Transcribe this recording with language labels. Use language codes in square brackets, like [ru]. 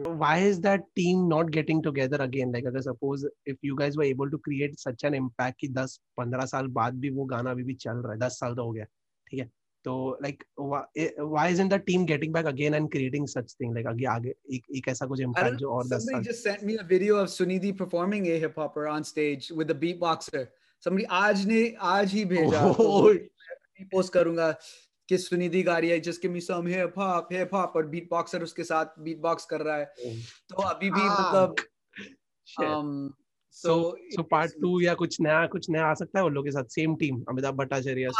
[en] Why is that team not getting together again? [hi] Like अगर suppose [en] if you guys were able to create such an impact [hi] कि 10-15 साल बाद भी वो गाना अभी भी चल रहा है, 10 साल तो हो गया, ठीक है, तो like [en] why is in the team getting back again and creating such thing, [hi] like आगे एक ऐसा कुछ इंपैक्ट जो और 10 साल. [en] Somebody just sent me a video of Sunidhi performing a hip hopper on stage with a beatboxer. [hi] Somebody आज ही भेजा, post करूंगा कि सुनिधि गा रही है, [en] just give me some hip hop [hi] और बीटबॉक्सर उसके साथ बीटबॉक्स कर रहा है. तो अभी भी मतलब So part 2 या कुछ नया आ सकता है वो लोगों के साथ, सेम टीम अमिताभ भट्टाचार्य